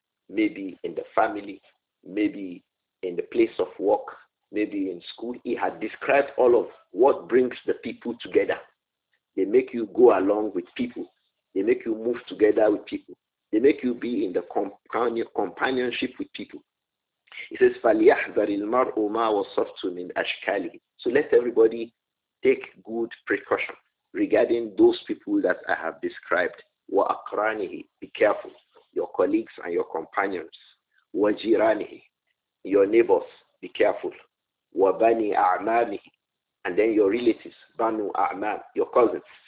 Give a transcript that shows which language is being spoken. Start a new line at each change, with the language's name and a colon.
English: maybe in the family, maybe in the place of work, maybe in school. He had described all of what brings the people together. They make you go along with people. They make you move together with people. They make you be in the companionship with people. He says,
Arabic: فَلْيَحْذَرِ الْمَرْءُ مَا وَصَفْتُ مِنْ أَشْكَالِهِ.
English: So let everybody take good precaution regarding those people that I have described.
Arabic: وَأَقْرَانِهِ.
English: Be careful. Your colleagues and your companions.
Arabic: وَجِرَانِهِ.
English: Your neighbors. Be careful.
Arabic: وَبَنِي أَعْمَامِهِ.
English: And then your relatives.
Arabic: بَنُوا أَعْمَامِ.
English: Your cousins.